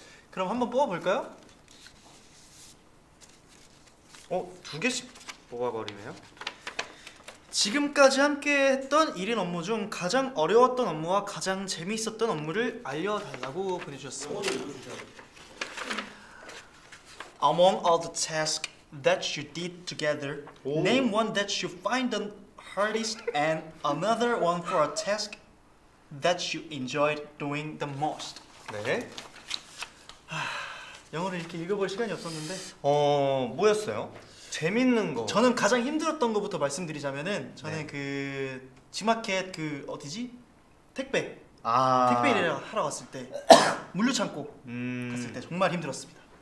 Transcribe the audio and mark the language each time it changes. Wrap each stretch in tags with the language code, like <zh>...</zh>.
<ko>그럼 한번 뽑아볼까요? 두 개씩 뽑아버리네요. 지금까지 함께했던 1인 업무 중 가장 어려웠던 업무와 가장 재미있었던 업무를 알려달라고 보내주셨습니다.</ko> <en>Among all the tasks that you did together, name one that you find the hardest and another one for a task that you enjoyed doing the most.</en> <ko>네. 영어를 이렇게 읽어볼 시간이 없었는데 뭐였어요? 재밌는 거. 저는 가장 힘들었던 거부터 말씀드리자면은 저는 네. 그 지마켓 그 어디지? 택배. 아. 택배를 하러 갔을 때 물류 창고 갔을 때 정말 힘들었습니다.</ko>